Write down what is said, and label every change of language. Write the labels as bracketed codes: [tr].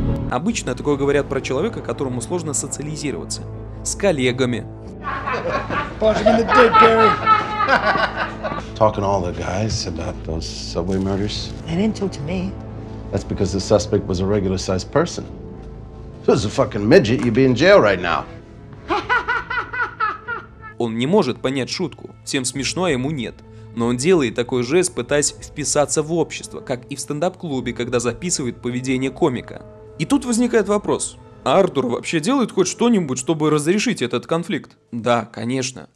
[ru] Обычно такое говорят про человека, которому сложно социализироваться. С коллегами. [en] Talking all the guys about those subway murders. They didn't talk to me. That's because the suspect was a regular sized person. If it was a fucking midget, you'd be in jail right now. [ru] Он не может понять шутку. Всем смешно, а ему нет. Но он делает такой жест, пытаясь вписаться в общество, как и в стендап-клубе, когда записывает поведение комика. И тут возникает вопрос. А Артур вообще делает хоть что-нибудь, чтобы разрешить этот конфликт? Да, конечно.